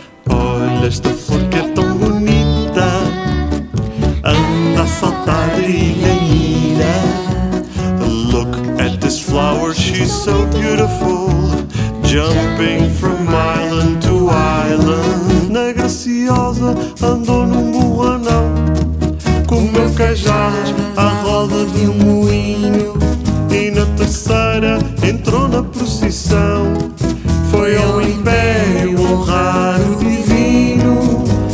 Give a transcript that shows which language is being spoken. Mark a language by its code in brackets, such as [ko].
[pt] Olha esta flor que é tão bonita, anda a saltar de ilha em ilha. [en] Look at this flower, she's so beautiful. Jumping from island to island. [pt] Na graciosa andou num burro anão, comeu queijadas à roda de um moinho. E na terceira entrou na procissão, foi ao império honrar o divino.